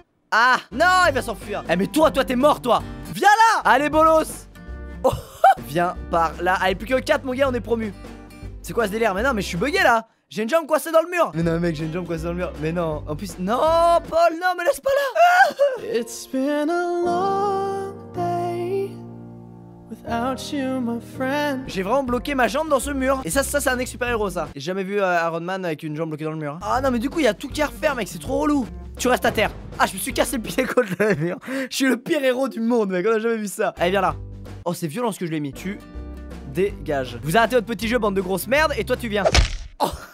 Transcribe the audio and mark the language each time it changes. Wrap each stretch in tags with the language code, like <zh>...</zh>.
<fr>Ah, non, il va s'enfuir. Eh, mais toi, t'es mort, toi. Viens là. Allez, bolos. Oh. Viens par là. Allez, plus que 4, mon gars, on est promu. C'est quoi ce délire? Mais non, mais je suis bugué là. J'ai une jambe coincée dans le mur. Mais non, mec, j'ai une jambe coincée dans le mur. Mais non, en plus. Non, Paul, non, me laisse pas là.</fr> <en>It's been a long day without you, my friend.</en> <fr>J'ai vraiment bloqué ma jambe dans ce mur. Et ça c'est un ex super héros, ça. J'ai jamais vu Iron Man avec une jambe bloquée dans le mur. Ah non, mais du coup, il y a tout qui a refaire, mec, c'est trop relou. Tu restes à terre. Ah, je me suis cassé le pied contre le mur. Je suis le pire héros du monde, mec, on a jamais vu ça. Allez, viens là. Oh, c'est violent ce que je lui ai mis. Tu dégages. Vous arrêtez votre petit jeu, bande de grosses merdes, et toi, tu viens. Oh.</fr>